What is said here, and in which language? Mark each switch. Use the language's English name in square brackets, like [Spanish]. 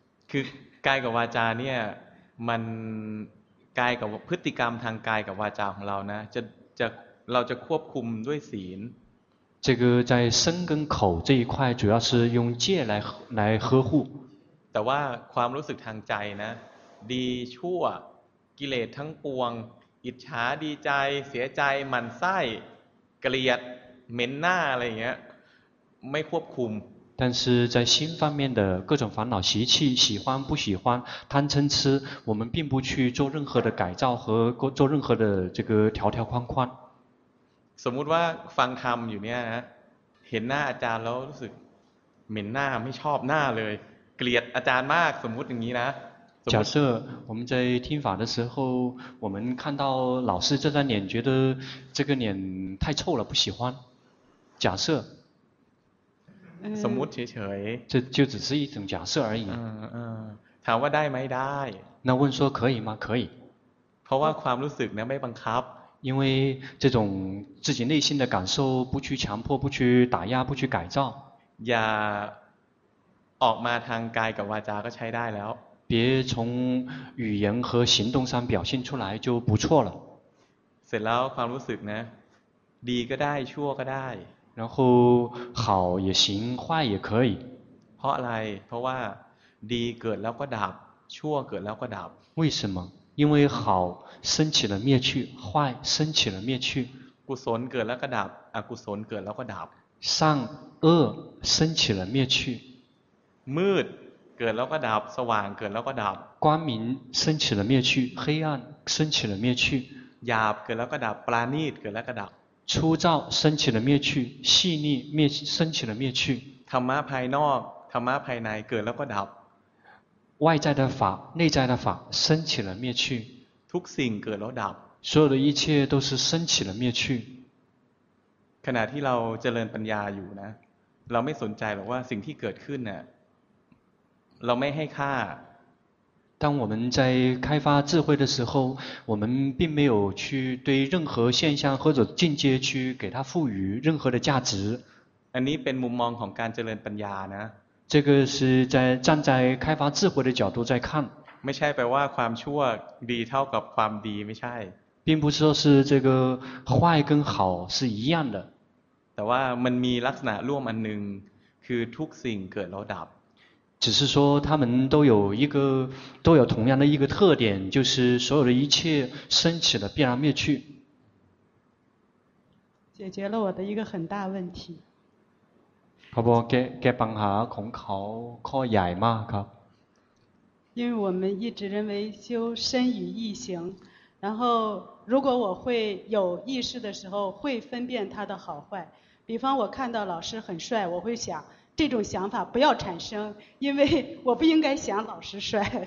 [Thai] คือกายกับวาจาเนี่ยมันกายกับพฤติกรรมทางกายกับวาจาของเรานะจะเราจะควบคุมด้วยศีล [Chinese] 这个在身跟口这一块主要是用戒来呵护 [Thai] แต่ว่าความรู้สึกทางใจนะดีชั่วกิเลสทั้งปวงอิจฉาดีใจเสียใจหมั่นไส้เกลียดเหม็นหน้าอะไรอย่างเงี้ยไม่ควบคุม [Chinese] 但是在心方面的各种烦恼习气喜欢不喜欢贪嗔痴我们并不去做任何的改造和做任何的这个条条框框 [Thai] สมมุติว่าฟังธรรมอยู่เนี่ยนะเห็นหน้าอาจารย์แล้วรู้สึกเหม็นหน้าไม่ชอบหน้าเลยเกลียดอาจารย์มากสมมุติอย่างนี้นะ [Chinese] 假设我们在听法的时候我们看到老师这张脸觉得这个脸太臭了不喜欢假设 [Thai] สมมติเฉยๆ [Chinese] 就只是一种假设而已 [Thai] ถามว่าได้ไหมได้ [Chinese] 那问说可以吗可以 [Thai] เพราะว่าความรู้สึกเนี่ยไม่บังคับ [Chinese] 因为这种自己内心的感受不去强迫不去打压不去改造 [Thai] อย่าออกมาทางกายกับวาจาก็ใช้ได้แล้ว [Chinese] 别从语言和行动上表现出来就不错了 [Thai] เสร็จแล้วความรู้สึกนะดีก็ได้ชั่วก็ได้ [Chinese] 然后好也行坏也可以 [Thai] เพราะอะไรเพราะว่าดีเกิดแล้วก็ดับชั่วเกิดแล้วก็ดับ [Chinese] 为什么因为好升起了灭去坏升起了灭去 [Thai] กุศลเกิดแล้วก็ดับอกุศลเกิดแล้วก็ดับ [Chinese] 善恶升起了灭去 [Thai] มืดเกิดแล้วก็ดับสว่างเกิดแล้วก็ดับ [Chinese] 光明升起了灭去黑暗升起了灭去 [Thai] หยาบเกิดแล้วก็ดับปราณีตเกิดแล้วก็ดับ [Chinese] 粗糙升起了灭去细腻灭升起了灭去 [Thai] ธรรมะภายนอกธรรมะภายในเกิดแล้วก็ดับ [Chinese] 外在的法内在的法升起了灭去 [Thai] ทุกสิ่งเกิดแล้วดับ [Chinese] 所有的一切都是升起了灭去 [Thai] ขณะที่เราเจริญปัญญาอยู่นะเราไม่สนใจหรอกว่าสิ่งที่เกิดขึ้นน่ะเราไม่ให้ค่า [Chinese] 当我们在开发智慧的时候我们并没有去对任何现象或者境界去给它赋予任何的价值 [Thai] อันนี้เป็นมุมมองของการเจริญปัญญานะ [Chinese] 这个是在站在开发智慧的角度在看 [Thai] ไม่ใช่แปลว่าความชั่วดีเท่ากับความดีไม่ใช่ [Chinese] 并不是说是这个坏跟好是一样的 [Thai] แต่ว่ามันมีลักษณะร่วมอันหนึ่งคือทุกสิ่งเกิดแล้วดับ [Chinese] 只是说他们都有一个都有同样的一个特点就是所有的一切升起了必然灭去解决了我的一个很大问题 [Thai] พอบอกแกแกปัญหาของเขาข้อใหญ่มากครับ [Chinese] 因为我们一直认为修身与意行然后如果我会有意识的时候会分辨他的好坏比方我看到老师很帅我会想这种想法不要产生因为我不应该想老师帅